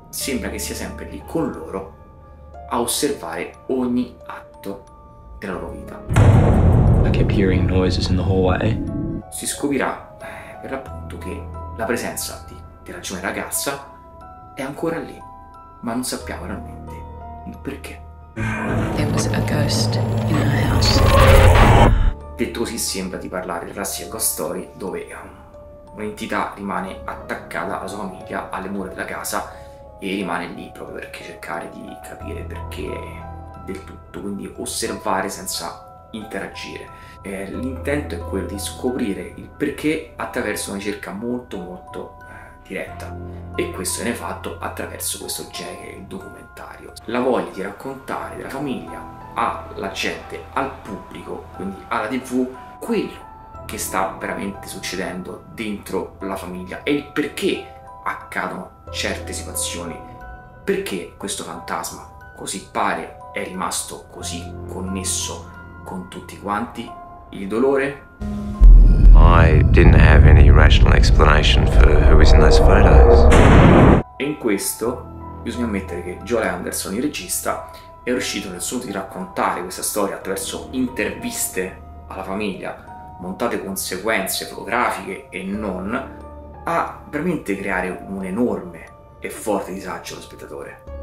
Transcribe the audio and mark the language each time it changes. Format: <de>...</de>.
<it>Sembra che sia sempre lì con loro a osservare ogni atto della loro vita.</it> <en>I kept hearing noises in the hallway.</en> <it>Si scoprirà per l'appunto che la presenza della giovane ragazza è ancora lì, ma non sappiamo realmente il perché.</it> <en>There was a ghost in our house.</en> <it>Detto così sembra di parlare della classica ghost story dove un'entità rimane attaccata alla sua famiglia, alle mura della casa e rimane lì proprio perché cercare di capire perché del tutto, quindi osservare senza interagire. L'intento è quello di scoprire il perché attraverso una ricerca molto molto diretta, e questo viene fatto attraverso questo genere, il documentario. La voglia di raccontare della famiglia alla gente, al pubblico, quindi alla TV, quello che sta veramente succedendo dentro la famiglia e il perché accadono certe situazioni, perché questo fantasma così pare è rimasto così connesso con tutti quanti. Il dolore?</it> <en>I didn't have any rational explanation for who was in those photos.</en> <it>E in questo bisogna ammettere che Joel Anderson, il regista, è riuscito nel suo di raccontare questa storia attraverso interviste alla famiglia, montate con sequenze fotografiche e non, a veramente creare un enorme e forte disagio allo spettatore.</it>